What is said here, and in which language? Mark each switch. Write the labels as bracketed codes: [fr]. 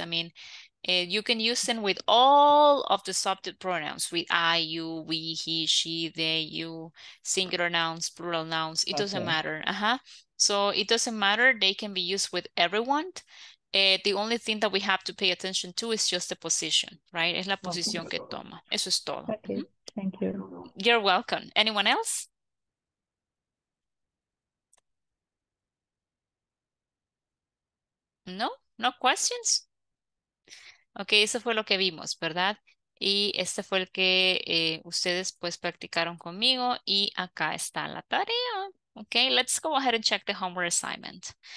[en] I mean, you can use them with all of the subject pronouns, with I, you, we, he, she, they, you, singular nouns, plural nouns, it doesn't matter. So it doesn't matter, they can be used with everyone. The only thing that we have to pay attention to is just the position, right? [es] Es la posición que toma, eso es todo. [en] Thank you. You're welcome. Anyone else? No, no questions. [es] Ok, eso fue lo que vimos, ¿verdad? Y este fue el que ustedes pues practicaron conmigo y acá está la tarea. [en] Ok, let's go ahead and check the homework assignment.